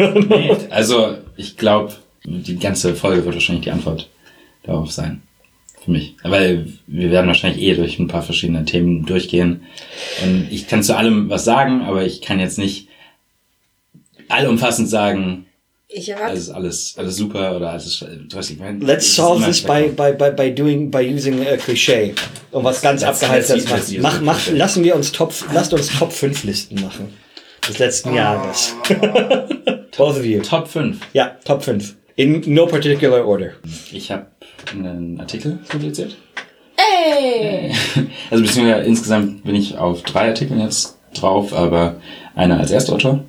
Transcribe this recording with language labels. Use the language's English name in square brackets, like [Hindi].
[German] Nee, also ich glaube, die ganze Folge wird wahrscheinlich die Antwort darauf sein. Für mich. Weil wir werden wahrscheinlich eh durch ein paar verschiedene Themen durchgehen. Und ich kann zu allem was sagen, aber ich kann jetzt nicht allumfassend sagen, alles super oder alles ist. [English] Let's solve this by using a cliché. [German] Um was ganz abgeheizt zu machen. Lassen wir uns Top 5 Listen machen. Des letzten Jahres. [English] Both of you. [German] Top 5. Ja, Top 5. [English] In no particular order. [German] Ich habe einen Artikel publiziert. Ey! Also beziehungsweise insgesamt bin ich auf 3 Artikeln jetzt drauf, aber einer als Erstautor.